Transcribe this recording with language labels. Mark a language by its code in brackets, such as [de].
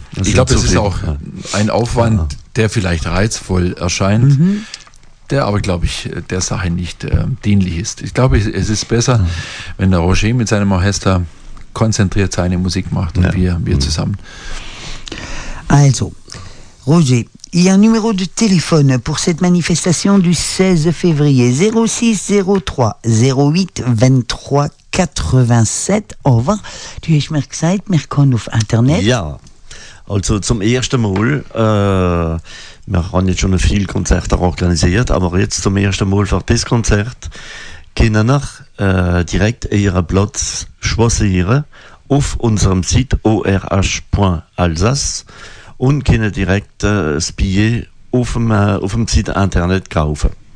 [de] ich glaube, es ist auch ein Aufwand, der vielleicht reizvoll erscheint, der aber, glaube ich, der Sache nicht dienlich ist. Ich glaube, es ist besser, wenn der Roger mit seinem Orchester konzentriert seine Musik macht und wir zusammen. Also, Roger, [fr] Il y a un numéro de téléphone pour cette manifestation du 16 février, 06 03 08 23 87. Au revoir. [de] Tu hast mir gesagt, wir können auf Internet. Ja, also zum ersten Mal, wir haben jetzt schon viele Konzerte organisiert, aber jetzt zum ersten Mal für das Konzert können wir direkt ihren Platz [fr] choisieren [de] auf unserem Site orh.alsace und können direkt das Billet auf dem Site Internet kaufen.